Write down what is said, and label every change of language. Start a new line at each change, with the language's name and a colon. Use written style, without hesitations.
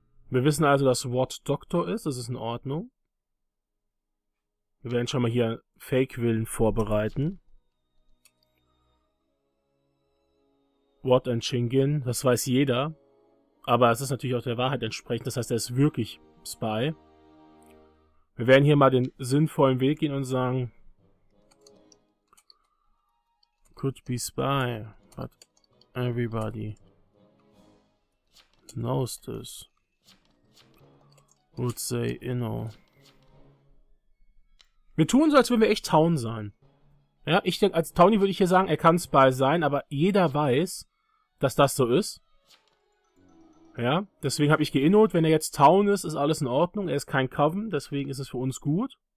German: Wir wissen also, dass Ward Doctor ist. Das ist in Ordnung. Wir werden schon mal hier Fake Willen vorbereiten. Ward und Shingin, das weiß jeder. Aber es ist natürlich auch der Wahrheit entsprechend. Das heißt, er ist wirklich Spy. Wir werden hier mal den sinnvollen Weg gehen und sagen...
English: Could be Spy, but everybody knows this. Would say inno.
German: Wir tun so, als würden wir echt Town sein. Ja, ich denke, als Townie würde ich hier sagen, er kann Spy sein, aber jeder weiß... dass das so ist. Ja, deswegen habe ich geinnot. Wenn er jetzt Town ist, ist alles in Ordnung. Er ist kein Coven, deswegen ist es für uns gut.